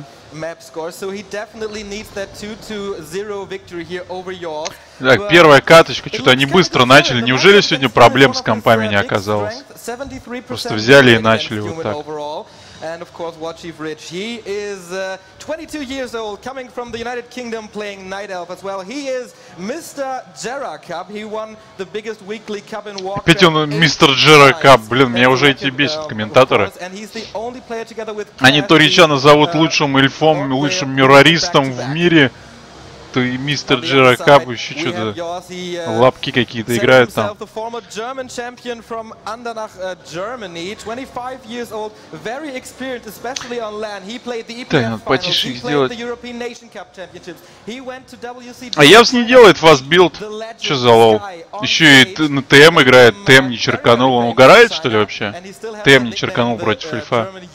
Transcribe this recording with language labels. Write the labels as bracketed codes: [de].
[en] Map score, so he definitely needs that 2-0 victory here over York. [ru] Так, первая каточка, что-то они быстро начали. Неужели сегодня проблем с компами не оказалось? Просто взяли и начали вот так. [en] And of course, Warchief Rich. He is 22 years old, coming from the United Kingdom, playing Night Elf as well. He is Mr. Jera Cup. He won the biggest weekly cup in Warcraft. [ru] Опять он Mr. Jera Cup. Блин, меня уже эти бесят комментаторы. [en] And he's the only player together with. [ru] Они то Ричана зовут лучшим эльфом, лучшим мюрористом в мире. То и Mr. Jera Cup еще что-то. Лапки какие-то играют там. [en] The former German champion from Andernach, Germany, 25 years old, very experienced, especially on land. He played the EPL finals, he played the European Nation Cup championships. He went to WCW. [ru] А Явс не делает фаст билд. Че за лол? Еще и на ТМ играет. ТМ не черканул. Он угорает, что ли, вообще? ТМ не черканул против эльфа.